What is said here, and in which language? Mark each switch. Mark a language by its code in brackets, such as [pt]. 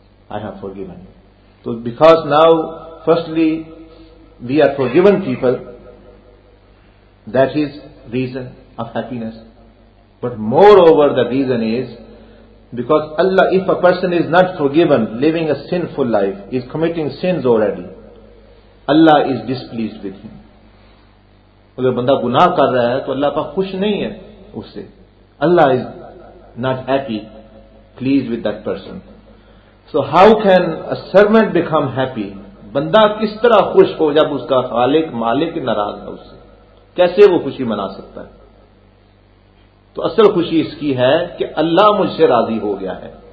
[en] I have forgiven you. So because now firstly we are forgiven people, that is reason of happiness. But moreover, the reason is because Allah, if a person is not forgiven, living a sinful life, is committing sins already, Allah is displeased with him. [ur] اگر بندہ گناہ کر رہا ہے تو اللہ پاک خوش نہیں ہے اس سے. [en] Allah is not happy, pleased with that person. So how can a servant become happy? [ur] بندہ کس طرح خوش ہو جب اس کا خالق مالک ناراض ہے اس سے, کیسے وہ خوشی منا سکتا ہے؟ تو اصل خوشی اس کی ہے کہ اللہ مجھ سے راضی ہو گیا ہے.